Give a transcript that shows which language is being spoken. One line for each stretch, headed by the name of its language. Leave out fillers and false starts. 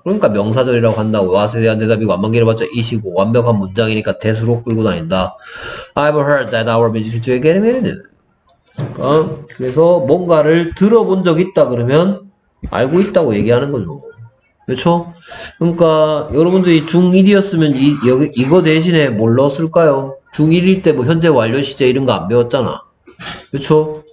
Korean: 그러니까 명사절이라고 한다고 what에 대한 대답이고 안만기를 봤자 이시고 완벽한 문장이니까 대수로 끌고 다닌다.
English: I've heard that our music teacher is getting married.
Korean: 그러니까 그래서 뭔가를 들어본 적 있다 그러면 알고 있다고 얘기하는 거죠. 그렇죠? 그러니까 여러분들이 중1이었으면 이거 대신에 뭘 넣었을까요? 중1일 때 뭐 현재 완료 시제 이런 거 안 배웠잖아. 그렇죠?